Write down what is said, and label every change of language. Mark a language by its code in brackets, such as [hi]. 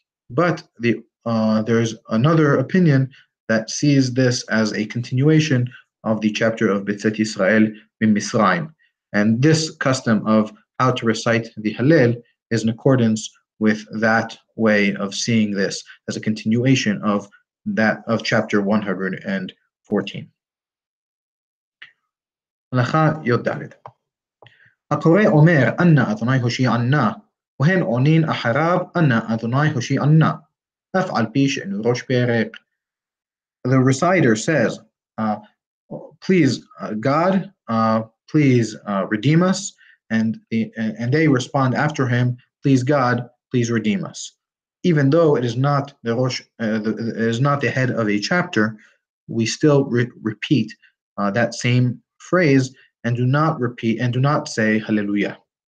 [en] But there's another opinion that sees this as a continuation of the chapter of Betzet Yisrael Mimisraim. And this custom of how to recite the Hallel is in accordance with that way of seeing this as a continuation of that of chapter 114. [he] Lacha Yod Dalet. הקורא אומר, אנא אדוני הושיע אנא, והן עונין אחריו, אנא אדוני הושיע אנא, אף על פי שאינו ראש פרק. [en] The reciter says, please God, please redeem us, and they respond after him, please God, please redeem us. Even though it is not the Rosh, it is not the head of a chapter, we still repeat that same phrase, and do not repeat, and do not say hallelujah.